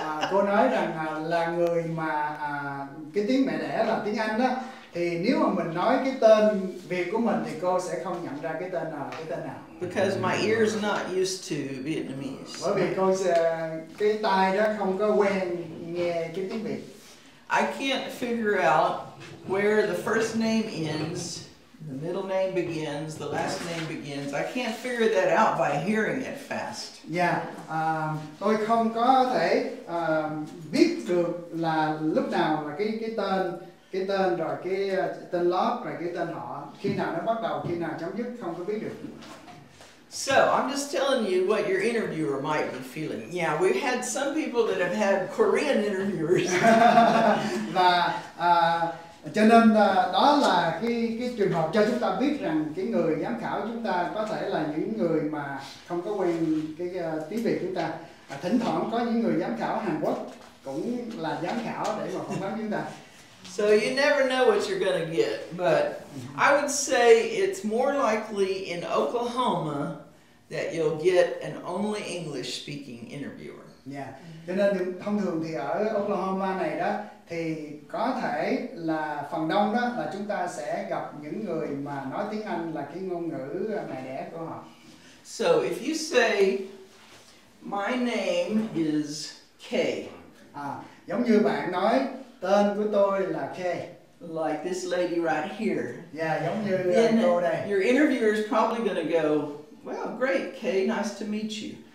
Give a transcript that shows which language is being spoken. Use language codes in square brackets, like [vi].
[vi] Cô nói rằng là người mà cái tiếng mẹ đẻ là tiếng Anh đó, thì nếu mà mình nói cái tên Việt của mình thì cô sẽ không nhận ra cái tên nào, [en] Because my ear is not used to Vietnamese. [vi] Bởi vì con sẽ, cái tai đó không có quen nghe cái tiếng Việt. [en] I can't figure out where the first name ends, the middle name begins, the last name begins. I can't figure that out by hearing it fast. [vi] Yeah, tôi không có thể biết được là lúc nào là cái tên rồi cái tên lớp rồi cái tên họ khi nào nó bắt đầu khi nào chấm dứt không có biết được. [en] So, I'm just telling you what your interviewer might be feeling. Yeah, we've had some people that have had Korean interviewers. [vi] Và cho nên đó là cái trường hợp cho chúng ta biết rằng cái người giám khảo chúng ta có thể là những người mà không có quen cái tiếng Việt chúng ta. Thỉnh thoảng có những người giám khảo Hàn Quốc cũng là giám khảo để mà phỏng vấn chúng ta. [en] So you never know what you're going to get, but I would say it's more likely in Oklahoma that you'll get an only English speaking interviewer. Yeah. [vi] Cho nên thông thường thì ở Oklahoma này đó thì có thể là phần đông đó là chúng ta sẽ gặp những người mà nói tiếng Anh là cái ngôn ngữ mẹ đẻ của họ. [en] So if you say my name is K. [vi] Giống như bạn nói tên của tôi là K. [en] Like this lady right here. [vi] Yeah, giống như then cô đây. [en] Your interviewer is probably going to go, well, great, K, nice to meet you.